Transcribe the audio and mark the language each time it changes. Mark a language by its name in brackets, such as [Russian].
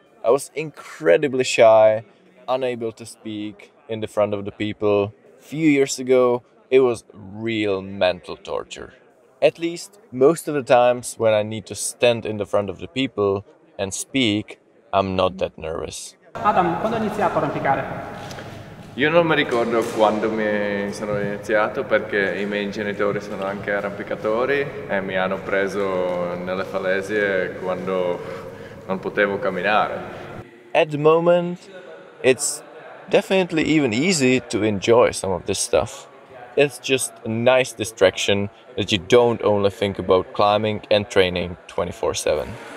[English] I was incredibly shy, unable to speak in the front of the people. A few years ago, it was real mental torture. At least most of the times when I need to stand in the front of the people and speak, I'm not that nervous. [Italian] Adam, quando inizi a arrampicare? Io non mi ricordo quando mi sono iniziato perché i miei genitori sono anche arrampicatori e mi hanno preso nelle falesie quando non potevo camminare. [English] At the moment, it's definitely even easy to enjoy some of this stuff. It's just a nice distraction that you don't only think about climbing and training 24/7.